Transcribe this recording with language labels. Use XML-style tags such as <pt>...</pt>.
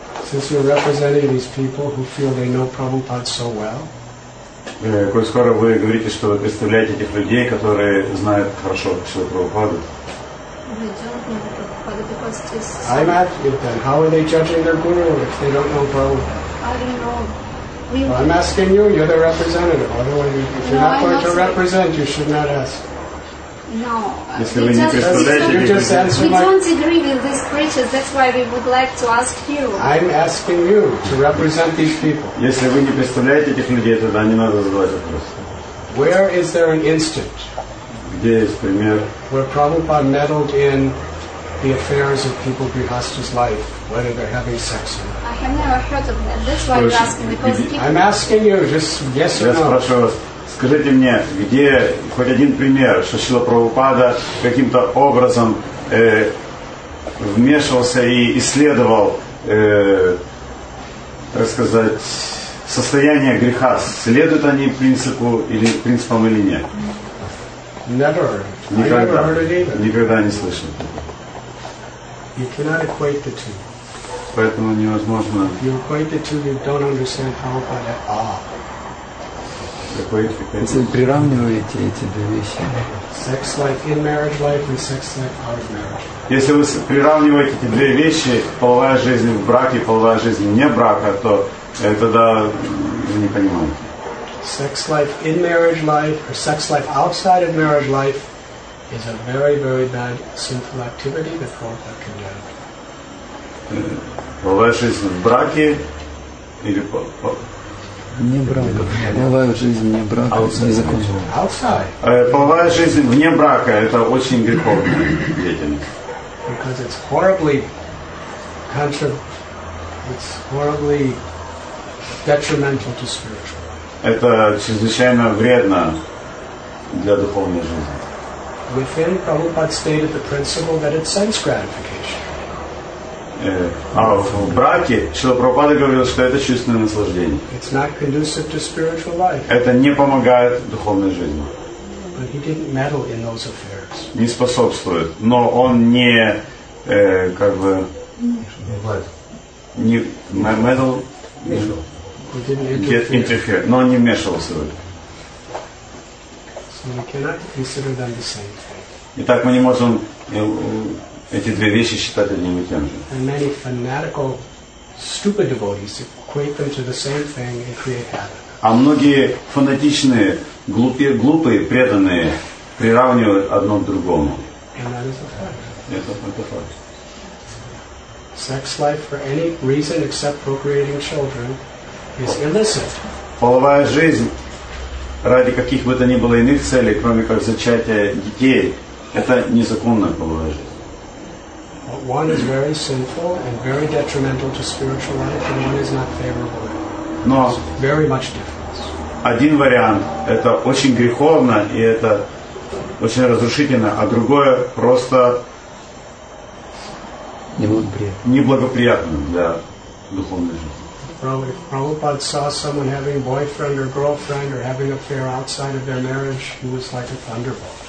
<en>Since you're representing these people who feel they know Prabhupada so well,</en> <ru>коль скоро вы говорите, что вы представляете этих людей, которые знают хорошо Шрила Прабхупаду,</ru> <en>I'm asking them, how are they judging their guru if they don't know Prabhupada? I don't know. Well, I'm asking you, you're the representative. Otherwise, if you're not going to represent, you should not ask. No. We don't agree with these preachers, that's why we would like to ask you. I'm asking you to represent these people. Where is there an instant where Prabhupada meddled in the affairs of people in Grihastha's life, whether they're having sex or not? I've never heard of that. That's why I'm asking, because I'm asking you, just yes or no.</en> <ru>Скажите мне, где хоть один пример, что Шрила Прабхупада каким-то образом вмешивался и исследовал, так сказать, состояние греха. Следуют они принципу или принципам или нет?</ru> <en>Never.</en> <ru>Никогда.</ru> <en>Never heard it either.</en> <ru>Никогда не слышал.</ru> <en>You cannot equate the two.</en> <ru>Поэтому невозможно.</ru> <en>You equate the two, you don't understand Prabhupada at all.</en> <ru>Вы приравниваете эти две вещи.</ru> <en>Sex life in marriage life and sex life out of marriage.</en> <ru>Если вы приравниваете эти две вещи, половая жизнь в браке, половая жизнь вне брака, то тогда вы не понимаете.</ru> <en>Sex life in marriage life or sex life outside of marriage life is a very, very bad sinful activity that Prabhupada condemned.</en> <ru>Половая жизнь в браке или по... Не брака. Половая жизнь вне брака незаконна. Половая жизнь вне брака – это очень греховная деятельность.</ru> <en>Because it's horribly, it's horribly detrimental to spiritual.</en> <ru>Это чрезвычайно вредно для духовной жизни.</ru> <en>Within Prabhupada stated the principle that it's sense gratification.</en> <ru>А в браке Шрила Прабхупада говорил, что это чувственное наслаждение.</ru> <en>It's not conducive to spiritual life.</en> <ru>Это не помогает духовной жизни.</ru> <en>But he didn't meddle in those affairs.</en> <ru>Не способствует. Но он не, как бы... Не влазит.</ru> <en>my medal get interfered. No,</en> <ru>не вмешивался.</ru> <en>So we cannot consider them the same thing.</en> <ru>Итак, мы не можем эти две вещи считать одним и тем же.</ru> <en>And many fanatical, stupid devotees equate them to the same thing and create havoc.</en> <ru>А многие фанатичные, глупые, преданные приравнивают одно к другому. Это факт.</ru> <en>Sex life for any reason except procreating children is illicit.</en> <ru>Половая жизнь ради каких бы то ни было иных целей, кроме как зачатия детей, это незаконная половая жизнь.</ru> <en>But one is very sinful and very detrimental to spiritual life, and one is not favorable.</en> <ru>Но</ru> <en>very much different.</en> <ru>Один вариант – это очень греховно и это очень разрушительно, а другое просто неблагоприятно для духовной жизни.</ru> <en>If Prabhupada saw someone having boyfriend or girlfriend or having affair outside of their marriage, he was like a thunderbolt.</en>